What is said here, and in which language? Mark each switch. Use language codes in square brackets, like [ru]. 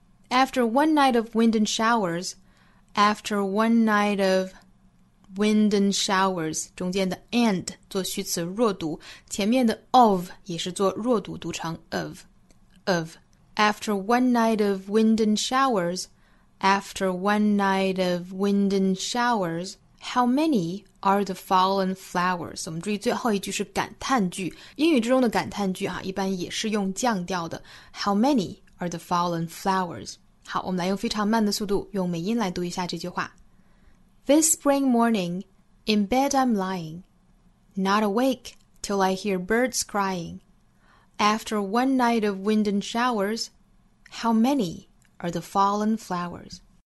[en] After one night of wind and showers, after one night of wind and showers, [zh] 中间的 and 做虚词弱读，前面的 of 也是做弱读，读成 of, [en] of. After one night of wind and showers, after one night of wind and showers, how many are the fallen flowers. [zh] 我们注意最后一句是感叹句。英语之中的感叹句啊，一般也是用降调的。 [en] How many are the fallen flowers? [zh] 好，我们来用非常慢的速度，用美音来读一下这句话。 [en] This spring morning, in bed I'm lying, not awake till I hear birds crying. After one night of wind and showers, how many are the fallen flowers?